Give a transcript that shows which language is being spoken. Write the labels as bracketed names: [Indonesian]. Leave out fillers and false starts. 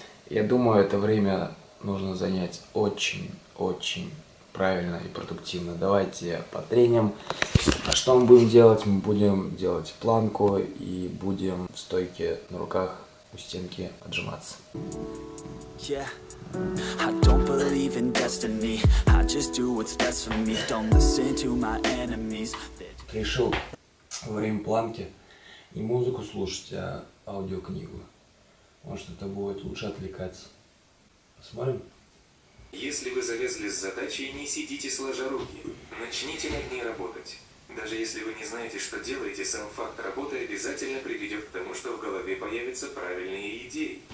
[Russian] Я думаю, это время нужно занять очень-очень правильно и продуктивно. Давайте потреним. А что мы будем делать? Мы будем делать планку и будем в стойке на руках у стенки отжиматься. [English] Yeah. I don't believe in destiny. I just do what's best for me. Don't listen to my enemies. [Russian] Решил во время планки не музыку слушать, а аудиокнигу. Может, это будет лучше отвлекаться. Посмотрим. Если вы завязли с задачей, не сидите сложа руки. Начните над ней работать. Даже если вы не знаете, что делаете, сам факт работы обязательно приведет к тому, что в голове появятся правильные идеи.